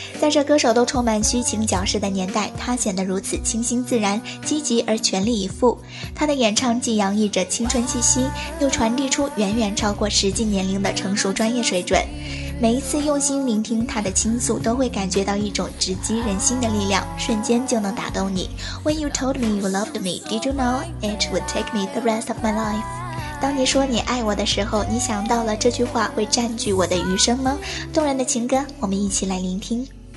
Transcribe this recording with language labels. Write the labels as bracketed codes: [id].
[zh] 在这歌手都充满虚情矫饰的年代，她显得如此清新自然，积极而全力以赴。她的演唱既洋溢着青春气息，又传递出远远超过实际年龄的成熟专业水准。每一次用心聆听他的倾诉，都会感觉到一种直击人心的力量，瞬间就能打动你。 [en] When you told me you loved me, did you know it would take me the rest of my life? [zh] 当你说你爱我的时候，你想到了这句话会占据我的余生吗？动人的情歌，我们一起来聆听。